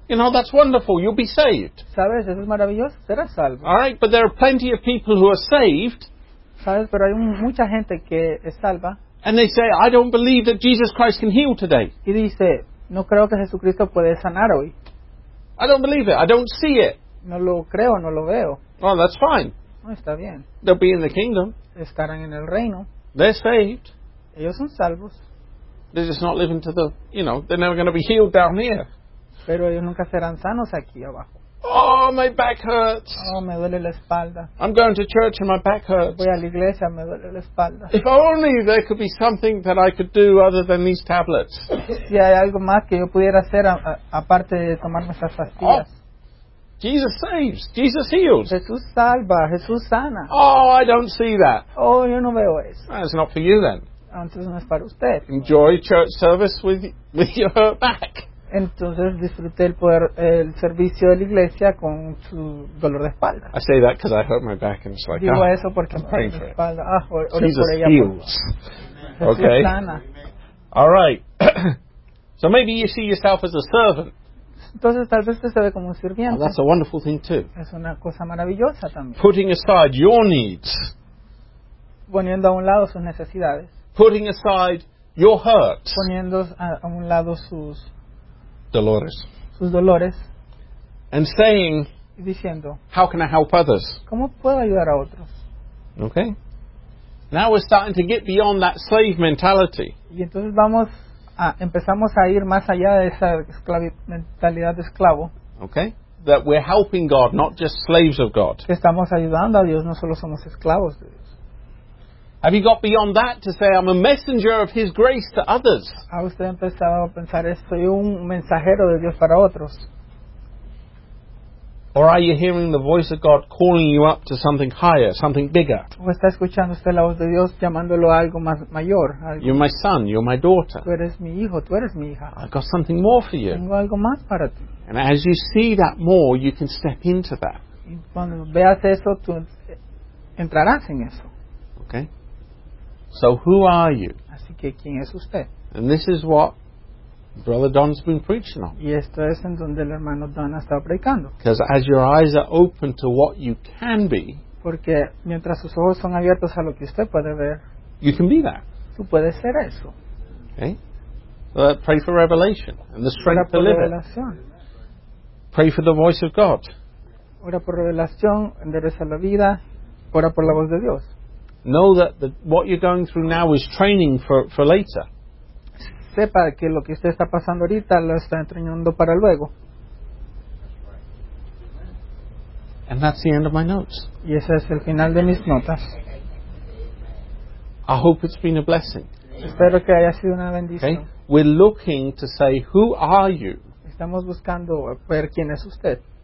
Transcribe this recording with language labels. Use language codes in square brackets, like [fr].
[en] You know, that's wonderful. You'll be saved. [es] ¿Sabes? Eso es maravilloso. Serás salvo. [en] All right, but there are plenty of people who are saved. [es] ¿Sabes? Pero hay mucha gente que es salva. [en] And they say, I don't believe that Jesus Christ can heal today. [es] Y dice, no creo que Jesucristo puede sanar hoy. [en] I don't believe it. I don't see it. [es] No lo creo, no lo veo. [en] Oh, that's fine. [es] No, está bien. [en] They'll be in the kingdom. [es] Estarán en el reino. [en] They're saved. [es] Ellos son salvos. [en] They're just not living to the, you know, they're never going to be healed down here. [es] Pero ellos nunca serán sanos aquí abajo. [en] Oh, my back hurts. [es] Oh, me duele la espalda. [en] I'm going to church and my back hurts. [es] Voy a la iglesia, me duele la espalda. [en] If only there could be something that I could do other than these tablets. [es] Si hay algo más que yo pudiera hacer aparte de tomarme esas pastillas. [en] Jesus saves. Jesus heals. [es] Jesús salva. Jesús sana. [en] Oh, I don't see that. [es] Oh, yo no veo eso. [en] That's not for you then. [es] Entonces no es para usted. [en] Enjoy church service with your hurt back. [es] Entonces disfruté el poder el servicio de la iglesia con su dolor de espalda. [en] I say that because I hurt my back and it's like, [es] digo oh, eso porque [en] I'm praying for [es] espalda. [en] It. Ah, Jesus [es] por ella, [en] heals. Okay. [es] Sana. [en] All right. So maybe you see yourself as a servant. [es] Entonces tal vez usted se ve como un sirviente. [en] Oh, that's a wonderful thing too. [es] Es una cosa maravillosa también. [en] Putting aside your needs. [es] Poniendo a un lado sus necesidades. [en] Putting aside your hurts. [es] Poniendo a un lado sus dolores. Sus dolores. [en] And saying, [es] y diciendo, [en] how can I help others? [es] ¿Cómo puedo ayudar a otros? [en] Okay. Now we're starting to get beyond that slave mentality. [es] Y entonces vamos a empezamos a ir más allá de esa mentalidad de esclavo. [en] Okay. That we're helping God, not just slaves of God. [es] Que estamos ayudando a Dios, no solo somos esclavos de Dios. [en] Have you got beyond that to say I'm a messenger of His grace to others? [es] ¿Ha usted empezado a pensar esto? Soy un mensajero de Dios para otros. [en] Or are you hearing the voice of God calling you up to something higher, something bigger? [es] ¿O está escuchando usted la voz de Dios llamándolo a algo más mayor? Algo, [en] you're my son, you're my daughter. [es] Tú eres mi hijo, tú eres mi hija. [en] I've got something more for you. [es] Tengo algo más para ti. [en] And as you see that more, you can step into that. [es] Y cuando veas eso, tú entrarás en eso. [en] Okay. So who are you? [es] Así que, ¿quién es usted? [en] And this is what Brother Don's been preaching on. [es] Y esto es en donde el hermano Don ha estado predicando. [en] Because as your eyes are open to what you can be, [es] porque mientras sus ojos son abiertos a lo que usted puede ver, [en] you can be that. [es] Tú puedes ser eso. [en] Okay. So pray for revelation and the strength to live [es] revelación. [en] It. Pray for the voice of God. [es] Ora por revelación, endereza la vida, ora por la voz de Dios. [en] Know that what you're going through now is training for later. [es] Sepa que lo que usted está pasando ahorita lo está entrenando para luego. [en] And that's the end of my notes. [es] Y ese es el final de mis notas. [en] I hope it's been a blessing. [es] Espero que haya sido una bendición. [en] Okay? We're looking to say, who are you? [es] Estamos buscando ver quién es usted.